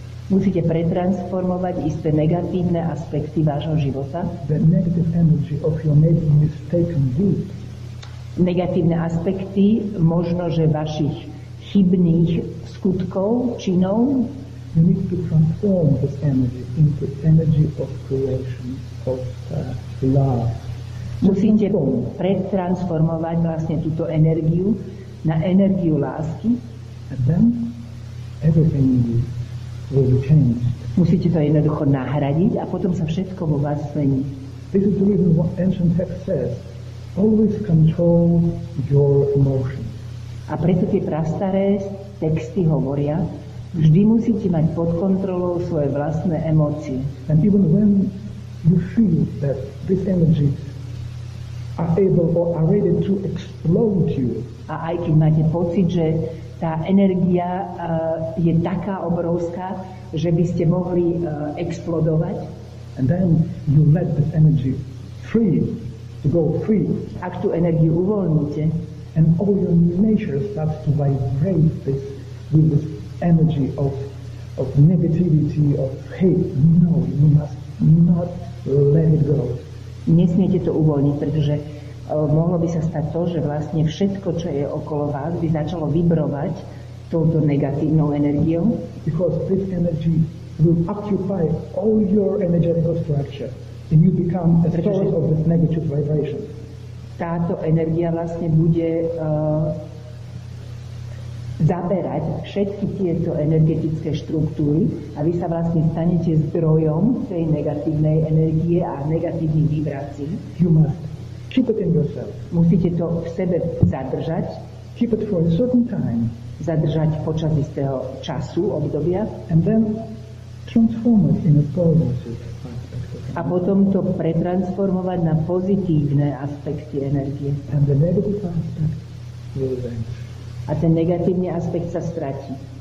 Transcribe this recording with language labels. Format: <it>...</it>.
<sk>Musíte pretransformovať isté negatívne aspekty vášho života.</sk> <en>The negative energy of your maybe mistaken deeds.</en> <sk>Negatívne aspekty možno, že vašich chybných skutkov, činov.</sk> <en>You need to transform this energy into energy of creation, of love.</en> <sk>Musíte pretransformovať vlastne túto energiu na energiu lásky.</sk> <en>And then everything will be changed.</en> <sk>Musíte to jednoducho nahradiť a potom sa všetko vo vás zmení.</sk> <en>This is the reason what ancient text says. Always control your emotions.</en> <sk>A preto tie prastaré texty hovoria, vždy musíte mať pod kontrolou svoje vlastné emócie.</sk> <en>And even when you feel that this energy are able or are ready to explode you.</en> <sk>A aj keď máte pocit, že tá energia je taká obrovská, že by ste mohli explodovať.</sk> <en>And then you let this energy free, to go free.</en> <sk>Ak tú energiu uvoľníte.</sk> <en>And all your nature starts to vibrate this with this energy of negativity, of hate. No, you must not let it go.</en> <sk>Nesmiete to uvoľniť, pretože mohlo by sa stať to, že vlastne všetko, čo je okolo vás, by začalo vibrovať touto negatívnou energiou.</sk> <en>Because this energy will occupy all your energetical structure, and you become a source of this negative vibration.</en> <sk>Táto energia vlastne bude zaberať všetky tieto energetické štruktúry a vy sa vlastne stanete zdrojom tej negatívnej energie a negatívnych vibrácií.</sk> <en>You must keep it in yourself.</en> <sk>Musíte to v sebe zadržať.</sk> <en>Keep it for a certain time.</en> <sk>Zadržať počas istého času, obdobia.</sk> <en>And then transform it in a positive aspect.</en> <sk>A potom to pretransformovať na pozitívne aspekty energie.</sk> <en>And the negative aspect will vanish.</en> <sk>A ten negatívny aspekt sa stratí.</sk>